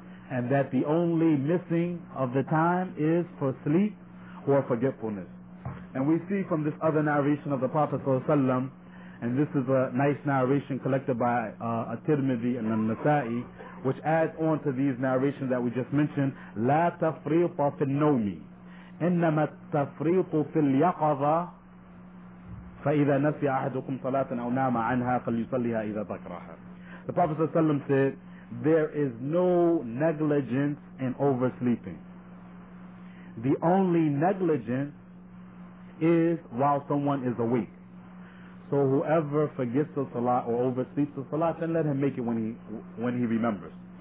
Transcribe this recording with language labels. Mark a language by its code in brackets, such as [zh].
[en] And that the only missing of the time is for sleep or forgetfulness. And we see from this other narration of the Prophet ﷺ, and this is a nice narration collected by At-Tirmidhi and An-Nasa'i, which adds on to these narrations that we just mentioned. [ar] لا تفريط في النوم إنما التفريط في اليقظة فإذا نسي أحدكم صلاة أو نام عنها فليصليها إذا ذكرها. [en] The Prophet ﷺ said, there is no negligence in oversleeping. The only negligence is while someone is awake. So whoever forgets the salat or oversleeps the salat, then let him make it when he remembers.